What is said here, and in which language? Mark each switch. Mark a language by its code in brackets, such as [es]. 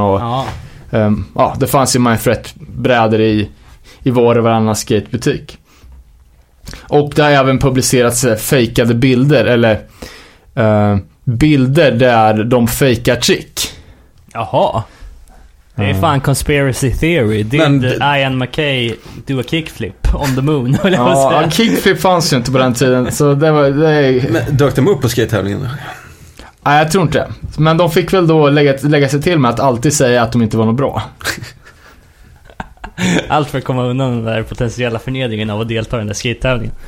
[sv] Och ja, det fanns ju Mind Threat brädor i var och varannan skatebutik. Och det har även publicerats fejkade bilder, eller bilder där de fejkar trick. Jaha. Det är fan [en] conspiracy theory. Did Ian McKay do a kickflip on the moon? [sv] Ja, kickflip fanns ju inte på den tiden. Så det var, det är... Men dök de upp på skate-tävlingen? Nej, jag tror inte. Men de fick väl då lägga sig till med att alltid säga att de inte var något bra. Allt för att komma undan den där potentiella förnedringen av att delta i den där skate-tävlingen.